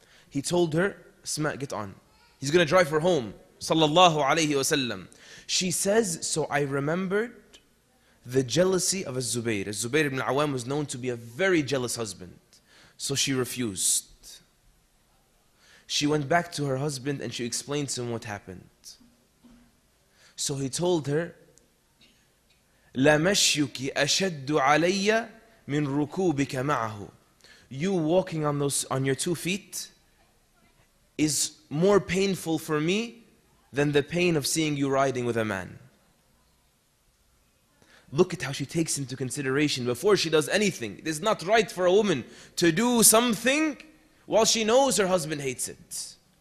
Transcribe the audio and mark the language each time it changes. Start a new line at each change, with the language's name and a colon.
English: He told her, Sma, get on. He's going to drive her home sallallahu alaihi wasallam. She says, so I remembered the jealousy of Az-Zubayr. Az-Zubayr ibn al-Awwam was known to be a very jealous husband. So she refused. She went back to her husband and she explained to him what happened. So he told her,
Arabic: لا مشيكي أشد علي من ركوبك معه.
English: You walking on those on your two feet is more painful for me than the pain of seeing you riding with a man. Look at how she takes into consideration before she does anything. It is not right for a woman to do something while she knows her husband hates it.